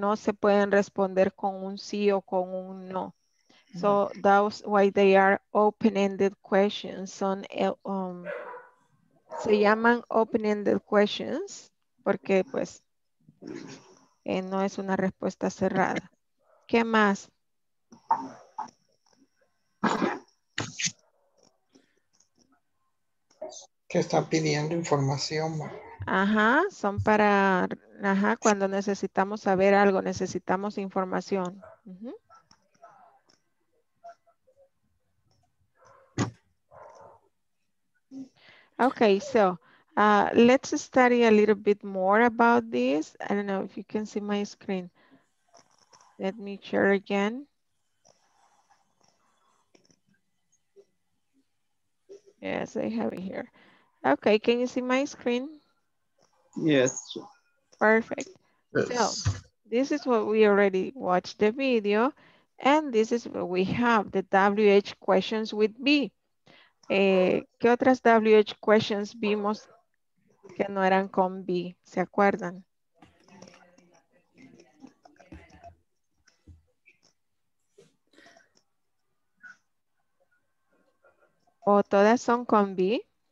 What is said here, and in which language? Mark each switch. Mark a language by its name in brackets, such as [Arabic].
[Spanish] No se pueden responder con un sí o con un no. [English] So that's why they are open-ended questions. [Spanish] Son, se llaman open-ended questions porque pues no es una respuesta cerrada. ¿Qué más? Que están pidiendo información. Ajá, son para, ajá, cuando necesitamos saber algo, necesitamos información. Uh-huh. [English] Okay, so let's study a little bit more about this. I don't know if you can see my screen. Let me share again. Yes, I have it here. Okay, can you see my screen? Yes. Perfect. Yes. So, this is what we already watched the video, and this is what we have, the WH questions with B. [Spanish] ¿Qué otras WH questions vimos que no eran con B? ¿Se acuerdan? ¿O todas son con B?